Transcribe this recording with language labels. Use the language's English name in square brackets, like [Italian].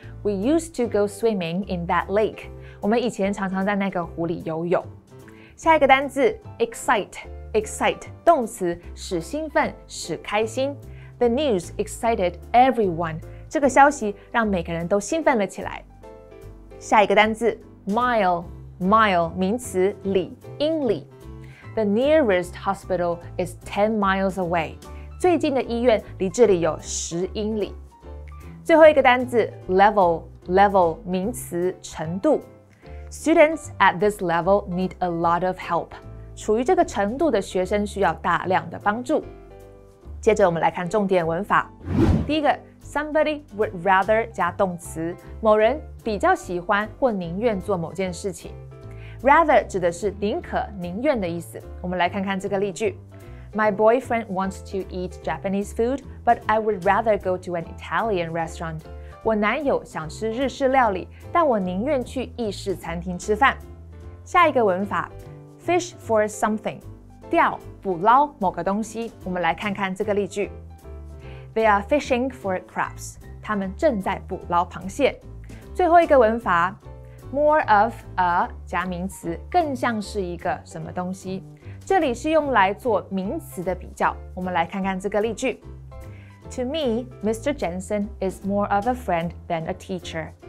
[English] We used to go swimming in that lake. [Chinese] 我们以前常常在那个湖里游泳。下一个单字 [English] excite, excite, [Chinese] 动词使兴奋使开心。 [English] The news excited everyone. [Chinese] 这个消息让每个人都兴奋了起来。下一个单字 [English] mile, mile, [Chinese] 名词里英里。 [English] The nearest hospital is 10 miles away. [Chinese] 最近的医院离这里有十英里。最后一个单字 [English] level, level, [Chinese] 名词程度。 [English] Students at this level need a lot of help. [Chinese] 处于这个程度的学生需要大量的帮助。接着我们来看重点文法。第一个 [English] Somebody would rather [Chinese] 加动词，某人比较喜欢或宁愿做某件事情。 Rather 指的是宁可、宁愿的意思。我们来看看这个例句。 [English] My boyfriend wants to eat Japanese food, but I would rather go to an Italian restaurant. [Chinese] 我男友想吃日式料理，但我宁愿去意式餐厅吃饭。下一个文法 ， [English] fish for something， [Chinese] 钓、捕捞某个东西。我们来看看这个例句。 [English] They are fishing for crabs. [Chinese] 他们正在捕捞螃蟹。最后一个文法 ， [English] more of a [Chinese] 加名词，更像是一个什么东西。这里是用来做名词的比较。我们来看看这个例句。 [English] To me, Mr. Jensen is more of a friend than a teacher.